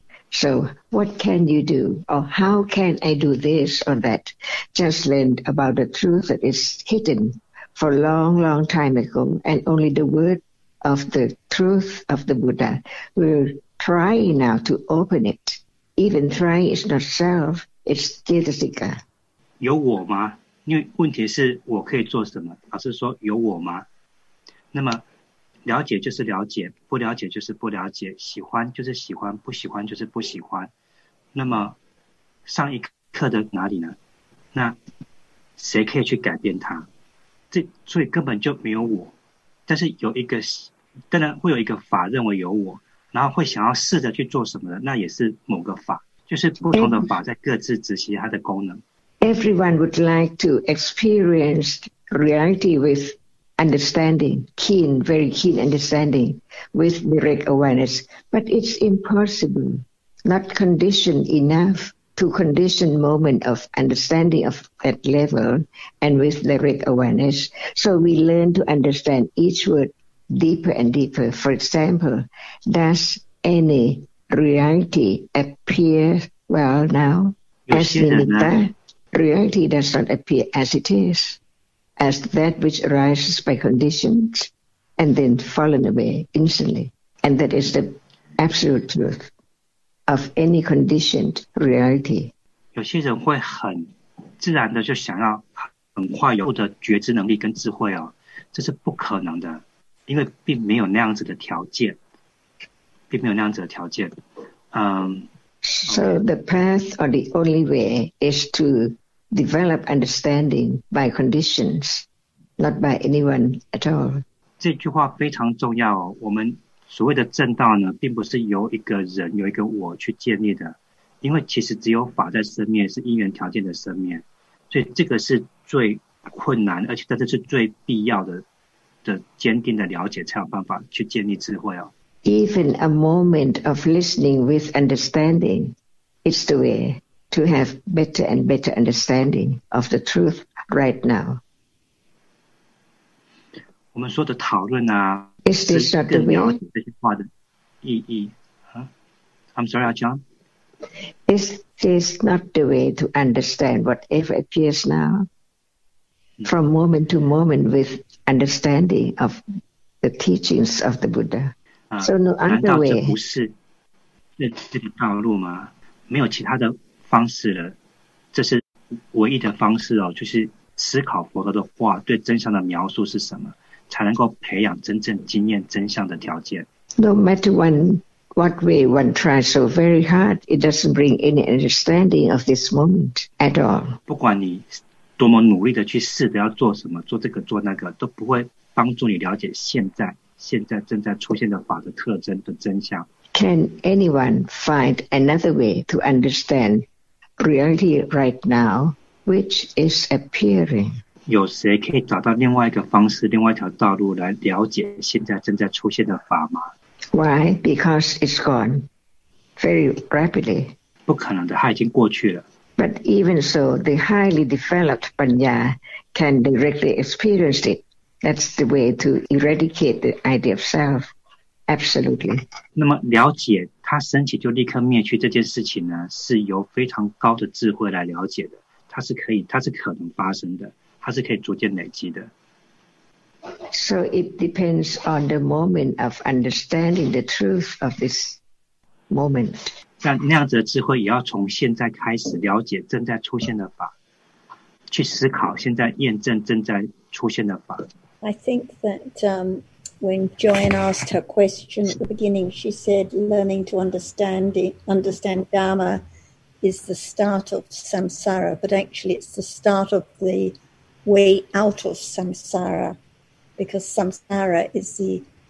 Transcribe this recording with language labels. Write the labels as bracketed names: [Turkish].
[English] So what can you do? Or how can I do this or that? Just learned about the truth that is hidden for a long, long time ago. And only the word of the truth of the Buddha will try now to open it. Even try is not self, it's Chittasika. [Chinese] 有我吗？因为问题是我可以做什么？老师说有我吗？那么了解就是了解，不了解就是不了解，喜欢就是喜欢，不喜欢就是不喜欢。那么上一课的哪里呢？那谁可以去改变它？这所以根本就没有我，但是有一个，当然会有一个法认为有我，然后会想要试着去做什么的，那也是某个法，就是不同的法在各自执行它的功能。 [English] Everyone would like to experience reality withunderstanding, keen, very keen understanding with direct awareness. But it's impossible, not conditioned enough to condition moment of understanding of that level and with direct awareness. So we learn to understand each word deeper and deeper. For example, does any reality appear well now? As in it, reality does not appear as it is. As that which arises by conditions and then fallen away instantly. And that is the absolute truth of any conditioned reality. [Chinese] 有些人会很自然的就想要很快有的觉知能力跟智慧哦，这是不可能的，因为并没有那样子的条件，并没有那样子的条件。 [English] So the path or the only way is to... develop understanding by conditions, not by anyone at all. [Chinese] 这句话非常重要哦。我们所谓的正道呢，并不是由一个人、由一个我去建立的，因为其实只有法在生灭，是因缘条件的生灭，所以这个是最困难，而且这是最必要的坚定的了解，才有办法去建立智慧哦。 [English] Even a moment of listening with understanding is the way. To have better and better understanding of the truth right now. [Chinese] 我们说的讨论啊 [English] Is this not the way? [Chinese] 这句话的意义、 [English] I'm sorry, John. Is this not the way to understand whatever appears now? From moment to moment with understanding of the teachings of the Buddha. So no other way. [Chinese] 难道这不是这个道路吗？没有其他的方式了，这是唯一的方式哦，就是思考佛陀的话对真相的描述是什么，才能够培养真正经验真相的条件。 [English] No matter what way one tries so very hard, it doesn't bring any understanding of this moment at all. [Chinese] 不管你多么努力的去试着要做什么，做这个做那个，都不会帮助你了解现在正在出现的法的特征的真相。 [English] Can anyone find another way to understand reality right now, which is appearing? [Chinese] 有谁可以找到另外一个方式，另外一条道路来了解现在正在出现的法吗？ [English] Why? Because it's gone very rapidly. [Chinese] 不可能的，它已经过去了。 [English] But even so, the highly developed Panya can directly experience it. That's the way to eradicate the idea of self. Absolutely. [Chinese] 那么了解它升起就立刻灭去这件事情呢，是由非常高的智慧来了解的。它是可以，它是可能发生的，它是可以逐渐累积的。 [English] So it depends on the moment of understanding the truth of this moment. [Chinese] 但那样子的智慧也要从现在开始了解正在出现的法，去思考现在验证正在出现的法。 [English] I think that when Joanne asked her question at the beginning, she said learning to understand Dharma is the start of samsara, but actually it's the start of the way out of samsara, because samsara is the